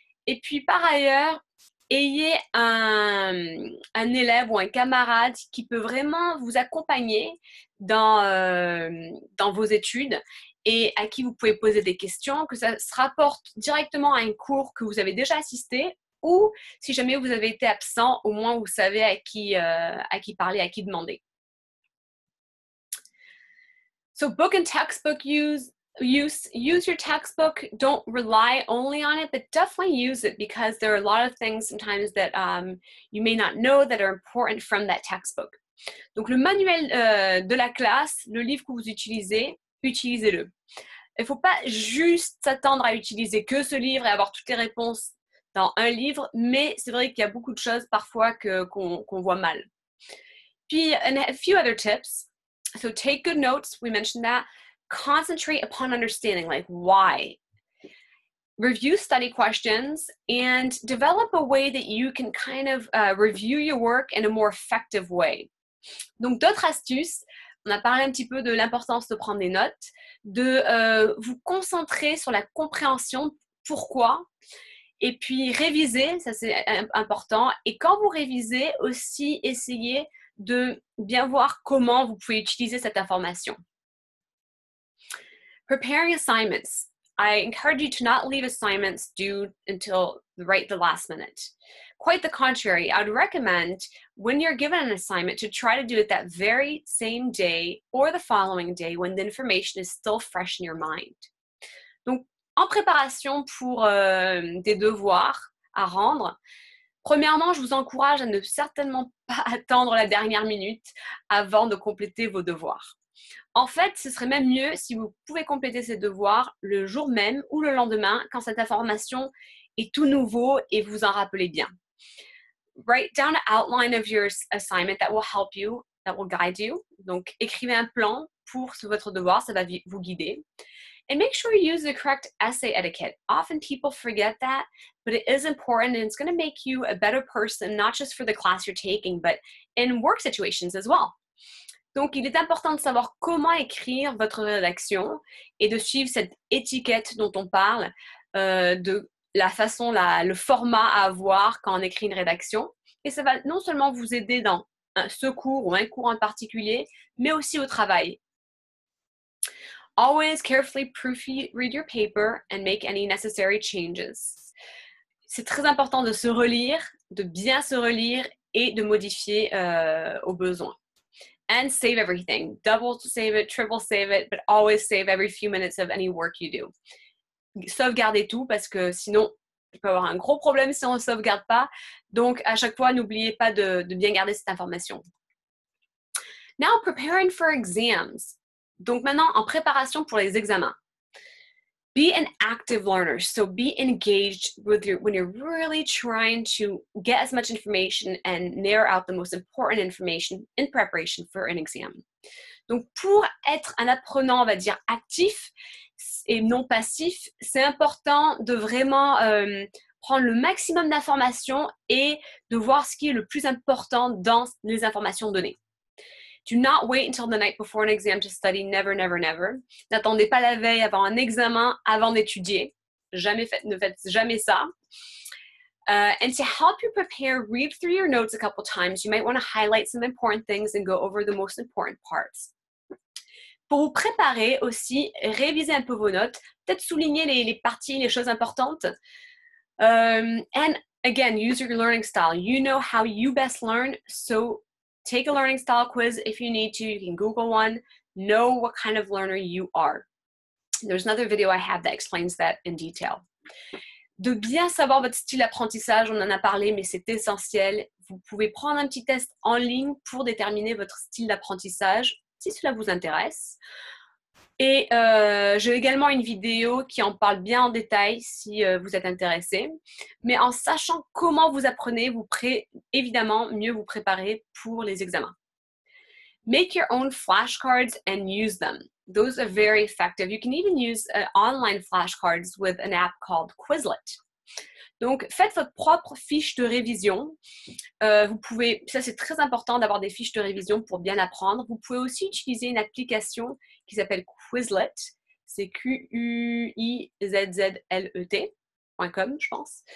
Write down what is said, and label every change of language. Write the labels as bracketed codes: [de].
[fr] Et puis, par ailleurs, ayez un élève ou un camarade qui peut vraiment vous accompagner dans vos études et à qui vous pouvez poser des questions, que ça se rapporte directement à un cours que vous avez déjà assisté ou si jamais vous avez été absent, au moins vous savez à qui parler, à qui demander. [en] So, book and textbook use your textbook, don't rely only on it, but definitely use it because there are a lot of things sometimes that you may not know that are important from that textbook. [fr] Donc le manuel de la classe, le livre que vous utilisez, utilisez-le. Il ne faut pas juste s'attendre à utiliser que ce livre et avoir toutes les réponses dans un livre, mais c'est vrai qu'il y a beaucoup de choses parfois qu'on voit mal. [en] Puis, and a few other tips. So take good notes, we mentioned that. Concentrate upon understanding, like why. Review study questions and develop a way that you can kind of review your work in a more effective way. [fr] Donc d'autres astuces, on a parlé un petit peu de l'importance de prendre des notes, de vous concentrer sur la compréhension, pourquoi, et puis réviser, ça c'est important, et quand vous révisez, aussi essayer de bien voir comment vous pouvez utiliser cette information. [en] Preparing assignments. I encourage you to not leave assignments due until right the last minute. Quite the contrary, I would recommend when you're given an assignment to try to do it that very same day or the following day when the information is still fresh in your mind. [fr] Donc, en préparation pour des devoirs à rendre, premièrement, je vous encourage à ne certainement pas attendre la dernière minute avant de compléter vos devoirs. En fait, ce serait même mieux si vous pouvez compléter ces devoirs le jour même ou le lendemain quand cette information est tout nouveau et vous en rappelez bien. [en] Write down an outline of your assignment that will help you, that will guide you. [fr] Donc, écrivez un plan pour votre devoir, ça va vous guider. [en] And make sure you use the correct essay etiquette. Often people forget that, but it is important and it's going to make you a better person, not just for the class you're taking, but in work situations as well. [fr] Donc, il est important de savoir comment écrire votre rédaction et de suivre cette étiquette dont on parle, de la façon, le format à avoir quand on écrit une rédaction. Et ça va non seulement vous aider dans ce cours ou un cours en particulier, mais aussi au travail. [en] Always carefully proofread your paper and make any necessary changes. [fr] C'est très important de se relire, de bien se relire et de modifier au besoin. [en] And save everything. Double save it, triple save it, but always save every few minutes of any work you do. [fr] Sauvegardez tout parce que sinon, tu peux avoir un gros problème si on ne sauvegarde pas. Donc, à chaque fois, n'oubliez pas de bien garder cette information. [en] Now, preparing for exams. [fr] Donc, maintenant, en préparation pour les examens. [en] Be an active learner. So, be engaged with your, when you're really trying to get as much information and narrow out the most important information in preparation for an exam. [fr] Donc, pour être un apprenant, on va dire, actif et non passif, c'est important de vraiment prendre le maximum d'informations et de voir ce qui est le plus important dans les informations données. [en] Do not wait until the night before an exam to study. Never, never, never. [fr] N'attendez pas la veille avant un examen, avant d'étudier. Ne faites jamais ça. [en] And to help you prepare, read through your notes a couple times. You might want to highlight some important things and go over the most important parts. [fr] Pour vous préparer aussi, révisez un peu vos notes. Peut-être souligner les parties, les choses importantes. [en] And again, use your learning style. You know how you best learn, so take a learning style quiz if you need to. You can Google one. Know what kind of learner you are. There's another video I have that explains that in detail. [fr] De bien savoir votre style d'apprentissage, on en a parlé, mais c'est essentiel. Vous pouvez prendre un petit test en ligne pour déterminer votre style d'apprentissage, si cela vous intéresse. Et j'ai également une vidéo qui en parle bien en détail si vous êtes intéressé. Mais en sachant comment vous apprenez, vous pourrez évidemment mieux vous préparer pour les examens. [en] Make your own flashcards and use them. Those are very effective. You can even use online flashcards with an app called Quizlet. [fr] Donc, faites votre propre fiche de révision. Vous pouvez, ça c'est très important d'avoir des fiches de révision pour bien apprendre. Vous pouvez aussi utiliser une application qui s'appelle Quizlet, c'est Quizlet.com, je pense.